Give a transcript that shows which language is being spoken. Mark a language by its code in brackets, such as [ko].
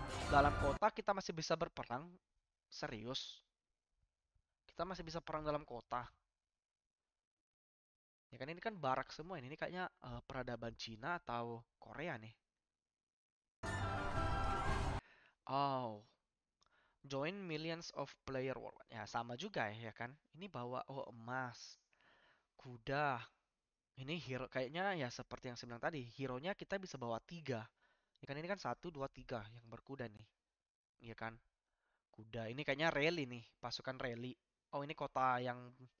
[id] Dalam kota kita masih bisa berperang. Serius. Kita masih bisa perang dalam kota. Ya kan ini kan barak semua ini. Ini kayaknya peradaban Cina atau Korea nih. Oh. [en] Join millions of player world. [id] Ya sama juga ya kan. Ini bawa oh emas. Kuda. Ini hero kayaknya ya seperti yang saya bilang tadi, hero-nya kita bisa bawa tiga. Ya kan ini kan satu, dua, tiga yang berkuda nih. Iya kan? Kuda. Ini kayaknya rally nih, pasukan rally. Oh, ini kota yang...